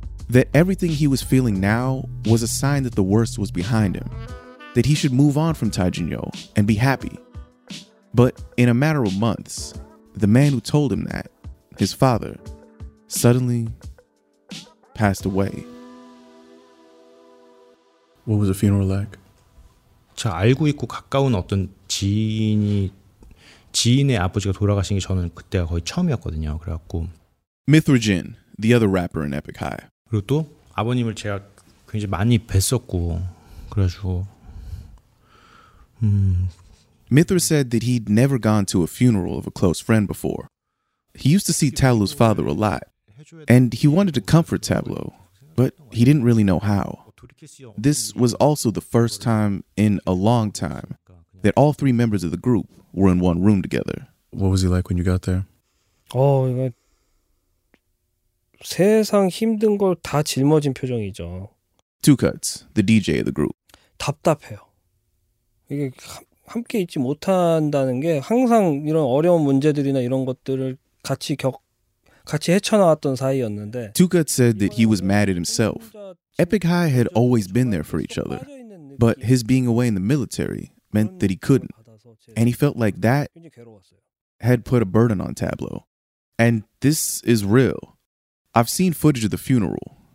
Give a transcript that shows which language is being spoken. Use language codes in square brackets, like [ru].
[en] That everything he was feeling now was a sign that the worst was behind him. That he should move on from Tijinho and be happy. But in a matter of months, the man who told him that, his father, suddenly passed away. What was the funeral like? [ko] 저 알고 있고 가까운 어떤 지인의 아버지가 돌아가신 게 저는 그때가 거의 처음이었거든요. 그래갖고 [en] Mithrigen, the other rapper in Epic High. [ko] 그리고 또 아버님을 제가 굉장히 많이 뵀었고 그래가지고 [en] Mithra said that he'd never gone to a funeral of a close friend before. He used to see Tablo's father a lot, and he wanted to comfort Tablo, but he didn't really know how. This was also the first time in a long time that all three members of the group were in one room together. What was he like when you got there? [ko] Oh, 세상 힘든 걸 다 짊어진 표정이죠. [en] Two Cuts, the DJ of the group. [ko] 답답해요. 이게 함께 있지 못한다는 게 항상 이런 어려운 문제들이나 이런 것들을 같이 헤쳐나왔던 사이였는데 [en] Two Cuts said that he was mad at himself. Epic High had always been there for each other. But his being away in the military meant that he couldn't. And he felt like that had put a burden on Tablo. And this is real. I've seen footage of the funeral.